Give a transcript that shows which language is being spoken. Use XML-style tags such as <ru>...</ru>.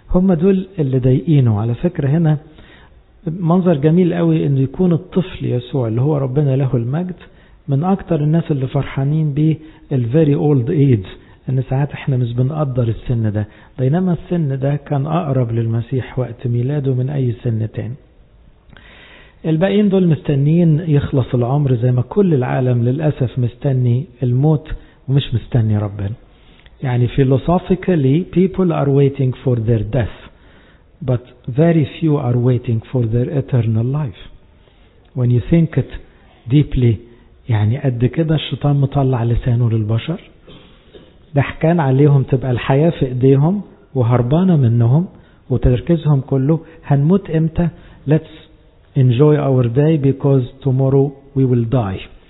<ar>هم دول اللي ضايقينه. على فكرة هنا منظر جميل قوي انه يكون الطفل يسوع اللي هو ربنا له المجد من اكتر الناس اللي فرحانين بيه الـ</ar> <en>very old age،</en> <ar>ان ساعات احنا مش بنقدر السن ده، بينما السن ده كان اقرب للمسيح وقت ميلاده من اي سن تاني. الباقيين دول مستنيين يخلص العمر زي ما كل العالم للاسف مستني الموت ومش مستني ربنا.</ar> <en>يعني philosophically people are waiting for their death but very few are waiting for their eternal life. When you think it deeply</en> <ar>يعني قد كده الشيطان مطلع لسانه للبشر، ده كان عليهم تبقى الحياة في ايديهم وهربانة منهم وتركيزهم كله هنموت امتى،</ar> <en>let's enjoy our day because tomorrow we will die.</en>